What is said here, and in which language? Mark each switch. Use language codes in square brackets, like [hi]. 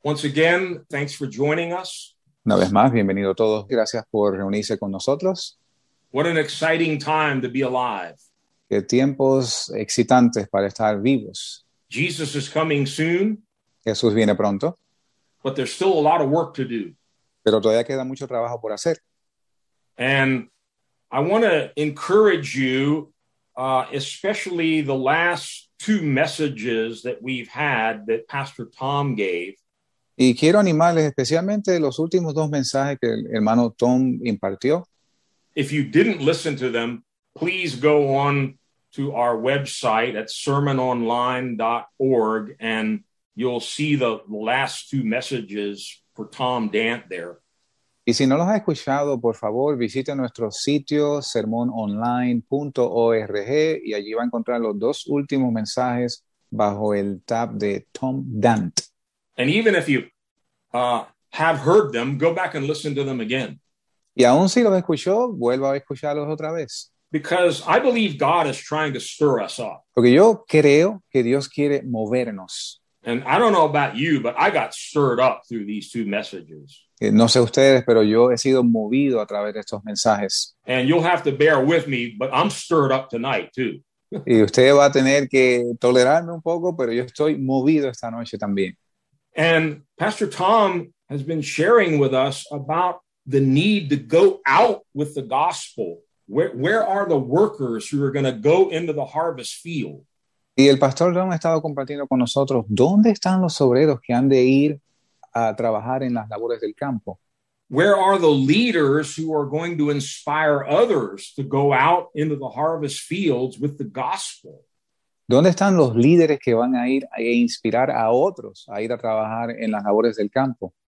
[en] Once again, thanks for joining us. [es] Una vez más, bienvenido todos. Gracias por reunirse con nosotros. [en] What an exciting time to be alive. [es] Qué tiempos excitantes para estar vivos. [en] Jesus is coming soon. [es] Jesús viene pronto. [en] But there's still a lot of work to do. [es] Pero todavía queda mucho trabajo por hacer. [en] And I want to encourage you, especially the last two messages that we've had that Pastor Tom gave. [es] Y quiero animarles especialmente los últimos dos mensajes que el hermano Tom impartió. [en] If you didn't listen to them, please go on to our website at sermononline.org and you'll see the last two messages for Tom Dant there. [es] Y si no los ha escuchado, por favor, visite nuestro sitio sermononline.org y allí va a encontrar los dos últimos mensajes bajo el tab de Tom Dant. [en] And even if you have heard them, go back and listen to them again. [es] Y aún si los escuchó, vuelva a escucharlos otra vez. [en] Because I believe God is trying to stir us up. [es] Porque yo creo que Dios quiere movernos. [en] And I don't know about you, but I got stirred up through these two messages. [es] No sé ustedes, pero yo he sido movido a través de estos mensajes. [en] And you'll have to bear with me, but I'm stirred up tonight too. [es] Y usted va a tener que tolerarme un poco, pero yo estoy movido esta noche también. [en] And Pastor Tom has been sharing with us about the need to go out with the gospel. Where are the workers who are going to go into the harvest field? [es] Y el pastor Tom ha estado compartiendo con nosotros, ¿dónde están los obreros que han de ir a trabajar en las labores del campo? [en] Where are the leaders who are going to inspire others to go out into the harvest fields with the gospel? [es] ¿Dónde están los líderes que van a ir a inspirar a otros a ir a trabajar en las labores del campo?